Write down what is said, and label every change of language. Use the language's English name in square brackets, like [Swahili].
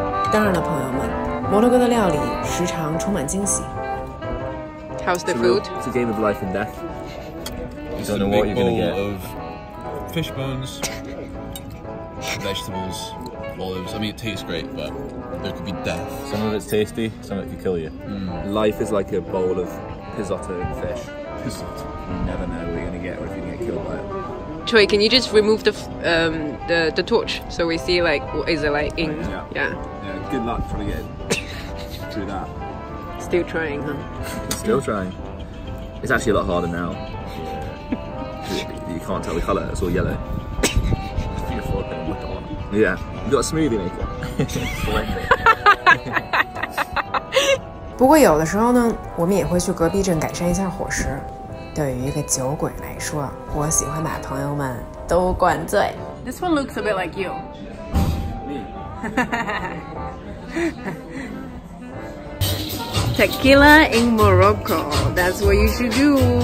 [Chinese] 当然了，朋友们，摩洛哥的料理时常充满惊喜。 [English] How's the food? It's a game of life and death. You don't know what you're gonna get. Of fish bones, vegetables, olives. I mean, it tastes great, but there could be death. Some of it's tasty, some of it could kill you. Life is like a bowl of pizzotto and fish. Pizzotto. You never know what you're gonna get or if you're gonna get killed by it. Choi, can you just remove the torch so we see, like, what is it like in? Yeah. Good luck trying to get through that. Still trying, huh? Still trying. It's actually a lot harder now. You can't tell the colour, it's all yellow. Yeah, we've got a smoothie maker. [Chinese] 不过有的时候呢，我们也会去隔壁镇改善一下伙食。对于一个酒鬼来说，我喜欢把朋友们都灌醉。 [English] This one looks a bit like you. Me. Tequila in Morocco. That's what you should do.